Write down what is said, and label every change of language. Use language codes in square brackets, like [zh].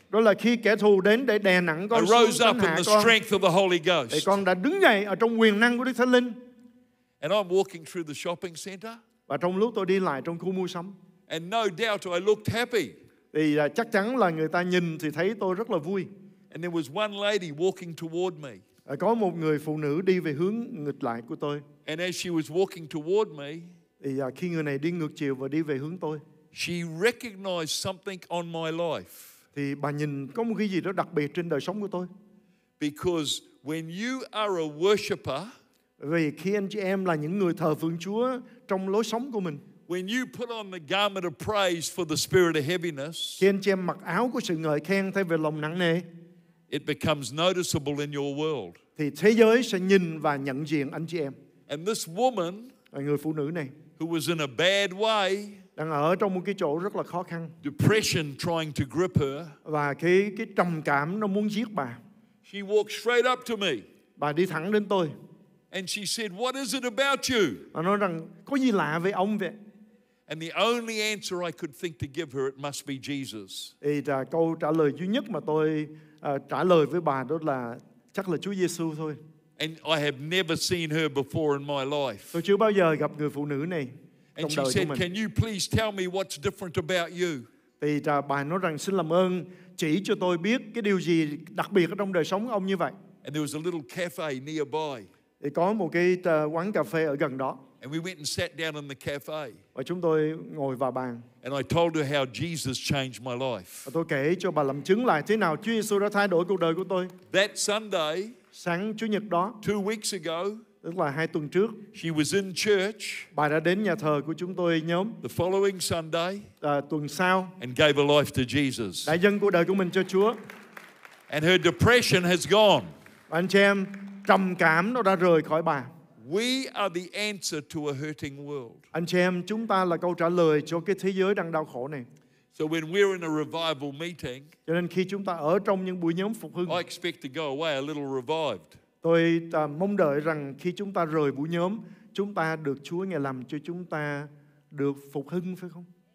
[vi] Đó là khi kẻ thù đến để đè nặng con. [en] I rose up in the strength of the Holy Ghost. [vi] Thì con đã đứng dậy ở trong quyền năng của Đức Thánh Linh. [en] And I'm walking through the shopping center. [vi] Và trong lúc tôi đi lại trong khu mua sắm. [en] And no doubt I looked happy. [vi] Thì chắc chắn là người ta nhìn thì thấy tôi rất là vui. [en] And there was one lady walking toward me. [vi] Có một người phụ nữ đi về hướng ngược lại của tôi. [en] And as she was walking toward me, [vi] thì khi người này đi ngược chiều và đi về hướng tôi, [en] she recognized something on my life. [vi] Thì bà nhìn có một cái gì đó đặc biệt trên đời sống của tôi. [en] Because when you are a worshipper, [vi] vì khi anh chị em là những người thờ phượng Chúa trong lối sống của mình, [en] when you put on the garment of praise for the spirit of heaviness, [vi] khi anh chị em mặc áo của sự ngợi khen thay vì lòng nặng nề, [en] it becomes noticeable in your world. [vi] Thì thế giới sẽ nhìn và nhận diện anh chị em. [en] And this woman, [vi] người phụ nữ này, [en] who was in a bad way, [vi] đang ở trong một cái chỗ rất là khó khăn, [en] depression trying to grip her, [vi] và cái trầm cảm nó muốn giết bà. [en] She walked straight up to me. [vi] Bà đi thẳng đến tôi. [en] And she said, "What is it about you?" [vi] Bà nói rằng có gì lạ với ông vậy? [en] And the only answer I could think to give her, it must be Jesus. [vi] Thì câu trả lời duy nhất mà tôi trả lời với bà đó là chắc là Chúa Giêsu thôi. [en] And I have never seen her before in my life. [vi] Tôi chưa bao giờ gặp người phụ nữ này. [en] And she said, "Can you please tell me what's different about you?" [vi] Thì bà nói rằng xin làm ơn chỉ cho tôi biết cái điều gì đặc biệt ở trong đời sống ông như vậy. [en] And there was a little cafe nearby. [vi] Thì có một cái quán cà phê ở gần đó. [en] And we went and sat down in the cafe. [vi] Và chúng tôi ngồi vào bàn. [en] And I told her how Jesus changed my life. [vi] Và tôi kể cho bà làm chứng lại thế nào Chúa Giêsu đã thay đổi cuộc đời của tôi. [en] That Sunday, [vi] sáng Chủ nhật đó, [en] 2 weeks ago, [vi] tức là 2 tuần trước, [en] she was in church, [vi] bà đã đến nhà thờ của chúng tôi nhóm, [en] the following Sunday, [vi] tuần sau, [en] and gave her life to Jesus. [vi] Đã dâng cuộc đời của mình cho Chúa. [en] And her depression has gone. [vi] Và anh chị em, trầm cảm nó đã rời khỏi bà. [en] We are the answer to a hurting world. [vi] Anh chị em, chúng ta là câu trả lời cho cái thế giới đang đau khổ này. [en] So when we're in a revival meeting, [vi] cho nên khi chúng ta ở trong những buổi nhóm phục hưng, [en] I expect to go away a little revived. [vi] Tôi mong đợi rằng khi chúng ta rời buổi nhóm, chúng ta được Chúa ngài làm cho chúng ta được phục hưng phải không?